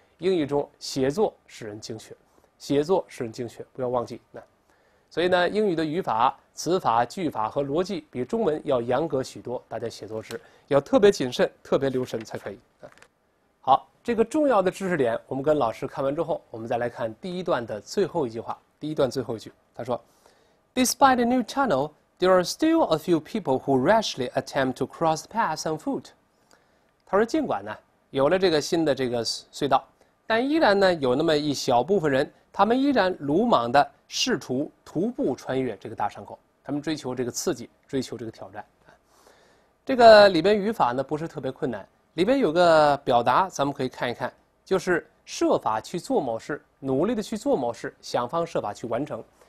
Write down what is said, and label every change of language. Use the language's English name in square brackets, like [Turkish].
[Chinese] 英语中写作使人精确，写作使人精确，不要忘记那。所以呢，英语的语法、词法、句法和逻辑比中文要严格许多，大家写作时要特别谨慎、特别留神才可以。好，这个重要的知识点，我们跟老师看完之后，我们再来看第一段的最后一句话。第一段最后一句，他说 [English] ：“Despite a new tunnel, there are still a few people who rashly attempt to cross the path on foot。” [Chinese] 他说：“尽管呢，有了这个新的这个隧道，但依然呢，有那么一小部分人，他们依然鲁莽的。” 试图徒步穿越这个大山口，他们追求这个刺激，追求这个挑战。这个里边语法呢不是特别困难，里边有个表达咱们可以看一看，就是设法去做某事，努力的去做某事，想方设法去完成。